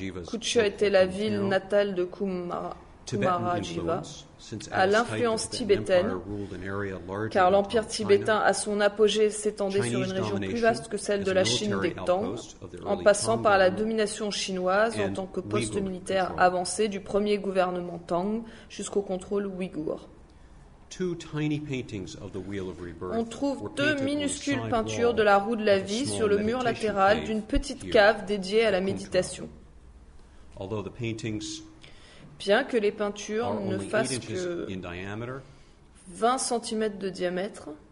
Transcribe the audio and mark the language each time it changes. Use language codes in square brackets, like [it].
[fr] Kuché était la ville natale de Kumarajiva, à l'influence tibétaine, car l'empire tibétain à son apogée s'étendait sur une région plus vaste que celle de la Chine des Tang, en passant par la domination chinoise en tant que poste militaire avancé du premier gouvernement Tang jusqu'au contrôle ouïghour. [en] Two tiny paintings of the Wheel of Rebirth. [fr] On trouve deux minuscules peintures de la roue de la vie sur le mur latéral d'une petite cave dédiée à la méditation. [en] Although the paintings, [fr] bien que les peintures ne fassent que 20 cm de diamètre,